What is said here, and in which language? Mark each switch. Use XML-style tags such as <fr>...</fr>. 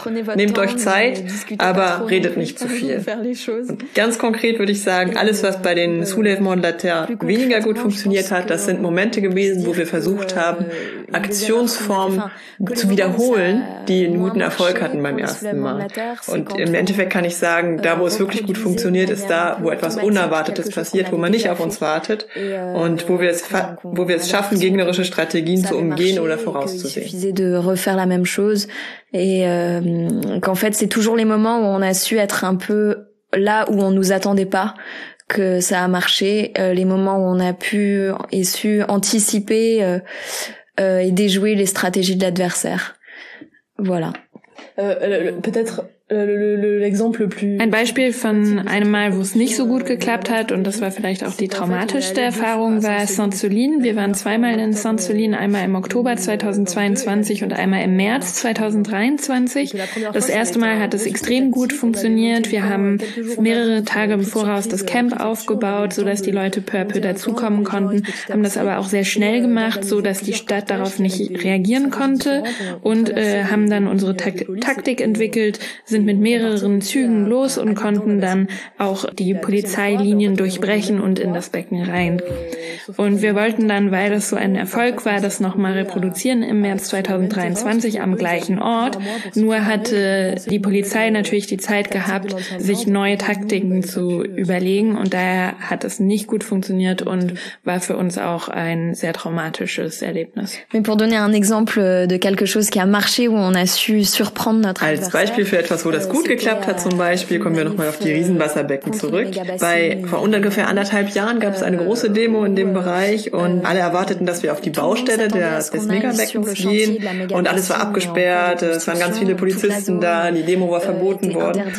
<de>Nehmt euch Zeit, aber redet nicht zu viel. Und ganz konkret würde ich sagen, alles, was bei den Soulèvements de la Terre weniger gut funktioniert hat, das sind Momente gewesen, wo wir versucht haben, Aktionsformen zu wiederholen, die einen guten Erfolg hatten beim ersten Mal. Und im Endeffekt kann ich sagen, da, wo es wirklich gut funktioniert, ist da, wo etwas Unerwartetes passiert, wo man nicht auf uns wartet. Und wo wir es schaffen, gegnerische Strategien zu umgehen oder vorauszusehen.</de> <fr>Il suffisait de refaire la même chose et qu'en fait c'est toujours les moments où on a su être un peu là où on nous attendait pas que ça a marché, les moments où on a pu et su anticiper et déjouer les stratégies de l'adversaire. Voilà. Peut-être l'exemple le plus</fr> <de>ein Beispiel von einem Mal, wo es nicht so gut geklappt hat, und das war vielleicht auch die traumatischste Erfahrung, war Sainte-Soline. Wir waren zweimal in Sainte-Soline, einmal im Oktober 2022 und einmal im März 2023. Das erste Mal hat es extrem gut funktioniert. Wir haben mehrere Tage im Voraus das Camp aufgebaut, sodass die Leute</de> <fr>peu à peu</fr> <de>dazukommen konnten, haben das aber auch sehr schnell gemacht, sodass die Stadt darauf nicht reagieren konnte, und haben dann unsere Taktik entwickelt, sind mit mehreren Zügen los und konnten dann auch die Polizeilinien durchbrechen und in das Becken rein. Und wir wollten dann, weil das so ein Erfolg war, das nochmal reproduzieren im März 2023 am gleichen Ort. Nur hatte die Polizei natürlich die Zeit gehabt, sich neue Taktiken zu überlegen, und daher hat es nicht gut funktioniert und war für uns auch ein sehr traumatisches Erlebnis.</de> <fr>Mais pour donner un exemple de quelque chose qui a marché, où on a su surprendre notre adversaire.</fr> <de>Als Beispiel für etwas, wo das gut geklappt hat, zum Beispiel, kommen wir nochmal auf die Riesenwasserbecken zurück. Vor ungefähr anderthalb Jahren gab es eine große Demo in dem Bereich und alle erwarteten, dass wir auf die Baustelle des Megabeckens gehen, und alles war abgesperrt, es waren ganz viele Polizisten da, die Demo war verboten worden.</de>